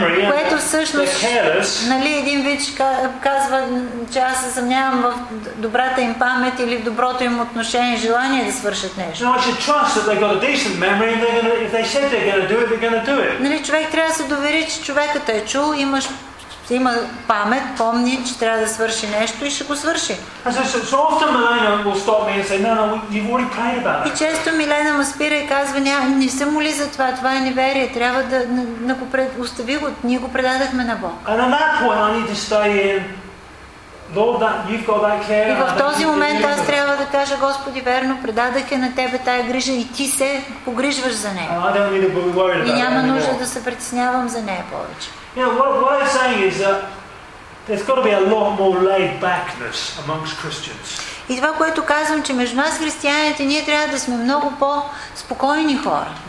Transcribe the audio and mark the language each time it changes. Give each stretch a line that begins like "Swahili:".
Bulgarian: Което всъщност, нали, един вид казва, че аз се съмнявам в добрата им памет или в доброто им отношение и желание да свършат нещо.
English: No, I should trust that they got a decent memory and if they said they're going to do it, they're going to do it.
Bulgarian: Нали, човек трябва да се довери, че човекът е чул, има памет, помни, че трябва да свърши нещо и ще го свърши.
English: So often Milena will stop me and say, no, you've already prayed about it.
Bulgarian: И често Милена ме спира и казва, не се моли за това, това е неверие, трябва да остави го, ние го предадахме на Бог.
English: And at that point I need to stay in. Lord, that you've got that care.
Bulgarian: И в този момент аз трябва да кажа, Господи, верно, предадах я на Тебе тая грижа и Ти се погрижваш за нея.
English: And I don't need to be worried about
Bulgarian: и няма нужда да се притеснявам за нея повече.
English: You know, what I'm saying is that there's got to be a lot more laid backness amongst Christians.
Bulgarian: И това, което казвам, че между нас, християните, ние трябва да сме много по-спокойни хора.